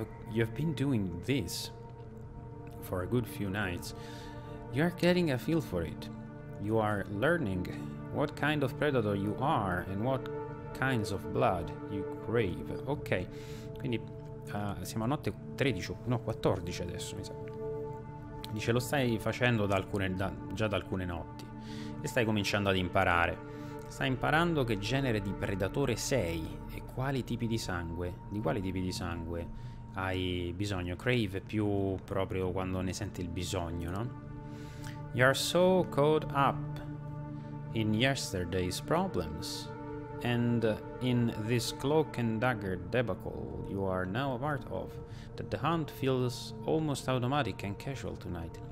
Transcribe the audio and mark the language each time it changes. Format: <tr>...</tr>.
<en>You've been doing this for a good few nights. You are getting a feel for it. You are learning what kind of predator you are and what kinds of blood you crave.</en> <it>Ok, quindi siamo a notte 13, no 14 adesso mi sa. Dice lo stai facendo da alcune notti e stai cominciando ad imparare. Stai imparando che genere di predatore sei e di quali tipi di sangue hai bisogno. Crave più proprio quando ne senti il bisogno, no?</it> <en>You're so caught up in yesterday's problems and in this cloak and dagger debacle you are now a part of, that the hunt feels almost automatic and casual tonight.</en>